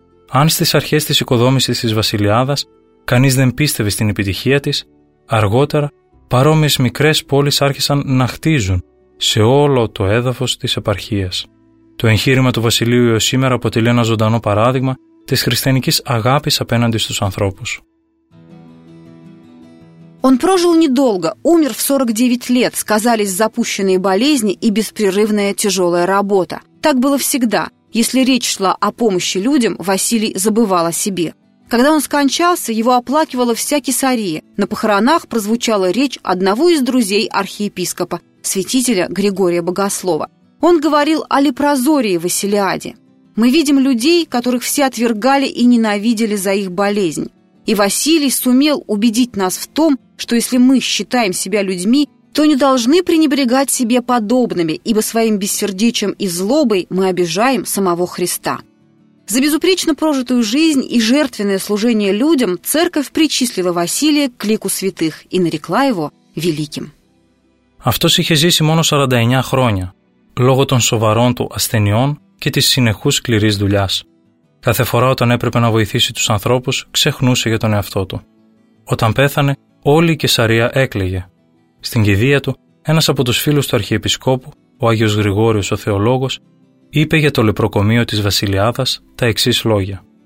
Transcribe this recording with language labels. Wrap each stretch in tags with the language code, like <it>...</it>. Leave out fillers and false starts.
<el>Αν στις αρχές της οικοδόμησης της βασιλιάδας κανείς δεν πίστευε στην επιτυχία της, αργότερα παρόμοιες μικρές πόλεις άρχισαν να χτίζουν σε όλο το έδαφος της επαρχίας. Το εγχείρημα του βασιλείου έως σήμερα αποτελεί ένα ζωντανό παράδειγμα της χριστιανικής αγάπης απέναντι στους ανθρώπους.</el> <ru>Он прожил недолго, умер в 49 лет, сказались запущенные болезни и беспрерывная тяжелая работа. Так было всегда. Если речь шла о помощи людям, Василий забывал о себе. Когда он скончался, его оплакивала вся Кесария. На похоронах прозвучала речь одного из друзей архиепископа, святителя Григория Богослова. Он говорил о лепрозории в Василиаде. «Мы видим людей, которых все отвергали и ненавидели за их болезнь». И Василий сумел убедить нас в том, что если мы считаем себя людьми, то не должны пренебрегать себе подобными, ибо своим бессердечием и злобой мы обижаем самого Христа. За безупречно прожитую жизнь и жертвенное служение людям церковь причислила Василия к лику святых и нарекла его великим.</ru> <el>Αυτός είχε ζήσει μόνο 49 χρόνια, λόγω των σοβαρών του ασθενειών και της συνεχούς σκληρής δουλειάς. Κάθε φορά όταν έπρεπε να βοηθήσει τους ανθρώπους, ξεχνούσε για τον εαυτό του. Όταν πέθανε, όλη η Κεσαρία έκλαιγε. Στην κηδεία του, ένας από τους φίλους του Αρχιεπισκόπου, ο Άγιος Γρηγόριος ο Θεολόγος, είπε για το λεπροκομείο της Βασιλιάδας τα εξής λόγια.</el>